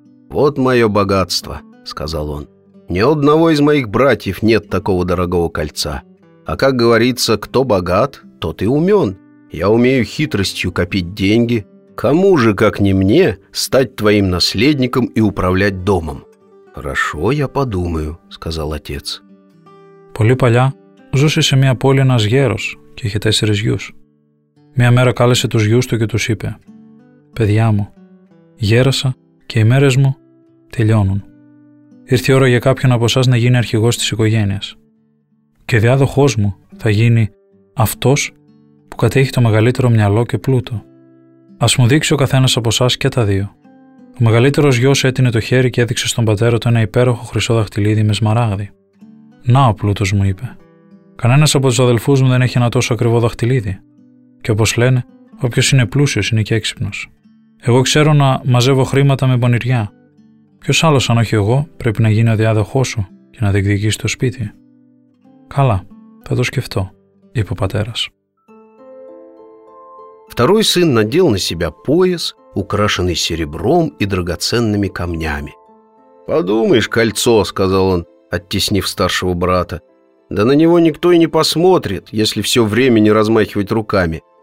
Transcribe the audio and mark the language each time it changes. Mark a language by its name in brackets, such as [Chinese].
[Russian] «Вот мое богатство», — сказал он. «Ни одного из моих братьев нет такого дорогого кольца. А как говорится, кто богат, тот и умен. Я умею хитростью копить деньги. Кому же, как не мне, стать твоим наследником и управлять домом?» «Хорошо, я подумаю», — сказал отец. [Greek] «Πολύ παλιά ζούσε σε μια πόλη ένας γέρος και είχε 4 γιους. Μια μέρα κάλεσε τους γιους του και τους είπε: «Παιδιά μου, γέρασα και οι μέρες μου τελειώνουν. Ήρθε η ώρα για κάποιον από εσάς να γίνει αρχηγός της οικογένειας. Και διάδοχός μου θα γίνει αυτός που κατέχει το μεγαλύτερο μυαλό και πλούτο. Ας μου δείξει ο καθένας από εσάς και τα δύο». Ο μεγαλύτερος γιος έτεινε το χέρι και έδειξε στον πατέρα του ένα υπέροχο χρυσό δαχτυλίδι με σμαράγδι. «Να, ο πλούτος μου», είπε. «Κανένας από τους αδελφούς μου δεν έχει ένα τόσο ακριβό δαχτυλίδι. Και όπως λένε, όποιος είναι πλούσιος είναι και έξυπνος. Εγώ ξέρω να μαζεύω χρήματα με πονηριά. Ποιος άλλος, αν όχι εγώ, πρέπει να γίνει ο διάδοχός σου και να διεκδικήσει το σπίτι?» «Καλά, θα το σκεφτώ», είπε ο πατέρας. [Russian] Второй сын надел на себя пояс, украшенный серебром и драгоценными камнями. «Подумаешь, кольцо», — сказал он, оттеснив старшего брата. «Да на него никто и не посмотрит, если все время не размахивать руками.